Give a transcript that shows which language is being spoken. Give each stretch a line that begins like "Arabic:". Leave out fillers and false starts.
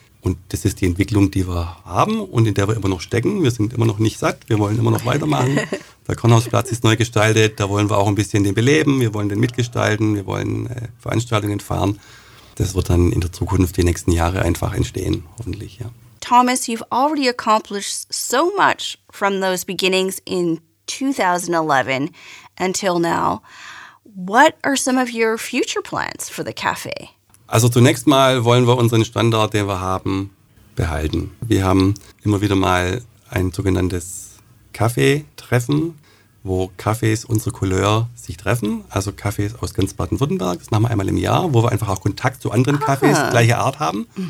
German: Und das ist die Entwicklung, die wir haben und in der wir immer noch stecken. Wir sind immer noch nicht satt, wir wollen immer noch weitermachen. Der Kornhausplatz ist neu gestaltet, da wollen wir auch ein bisschen den beleben. Wir wollen den mitgestalten, wir wollen Veranstaltungen fahren. Das wird dann in der Zukunft die nächsten Jahre einfach entstehen, hoffentlich. Ja.
English: Thomas, you've already accomplished so much from those beginnings in 2011 until now. What are some of your future plans for the cafe?
German: Also zunächst mal wollen wir unseren Standard, den wir haben, behalten. Wir haben immer wieder mal ein sogenanntes Kaffee-Treffen, wo Kaffees unserer Couleur sich treffen. Also Kaffees aus ganz Baden-Württemberg, das machen wir einmal im Jahr, wo wir einfach auch Kontakt zu anderen Kaffees gleicher Art haben.